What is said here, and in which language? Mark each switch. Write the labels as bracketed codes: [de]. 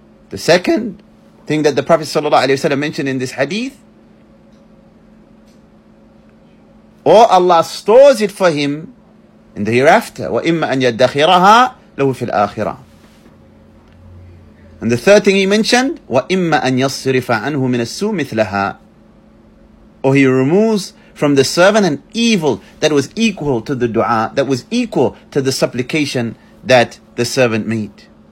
[en] The second thing that the Prophet ﷺ mentioned in this hadith, or Allah stores it for him in the hereafter. [ar] وَإِمَّا أَن يَدَّخِرَهَا لَهُ فِي الْآخِرَةِ. [en] And the third thing he mentioned, [ar] وَإِمَّا أَن يَصْرِفَ عَنْهُ مِنَ السُّوءِ مِثْلَهَا. [en] Or he removes from the servant an evil that was equal to the dua, that was equal to the supplication that the servant made.